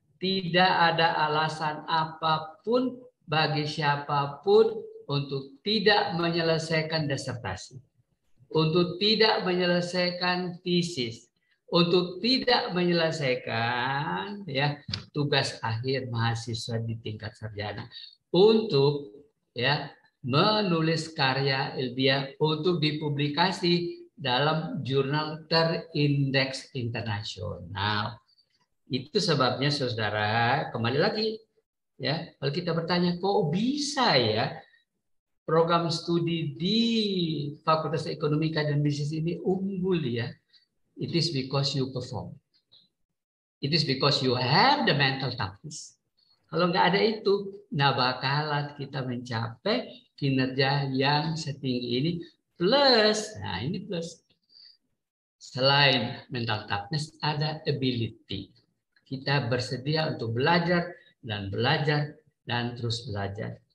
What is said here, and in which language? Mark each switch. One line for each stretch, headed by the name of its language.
Indonesian: tidak ada alasan apapun bagi siapapun untuk tidak menyelesaikan disertasi, untuk tidak menyelesaikan tesis, untuk tidak menyelesaikan ya tugas akhir mahasiswa di tingkat sarjana, untuk ya menulis karya ilmiah untuk dipublikasi dalam jurnal terindeks internasional. Itu sebabnya saudara, kembali lagi ya, kalau kita bertanya kok bisa ya program studi di Fakultas Ekonomika dan Bisnis ini unggul ya?
English: It is because you perform. It is because you have the mental toughness.
Indonesian: Kalau nggak ada itu, nggak bakalan kita mencapai kinerja yang setinggi ini. Plus, nah ini plus. Selain mental toughness, ada ability. Kita bersedia untuk belajar dan belajar dan terus belajar.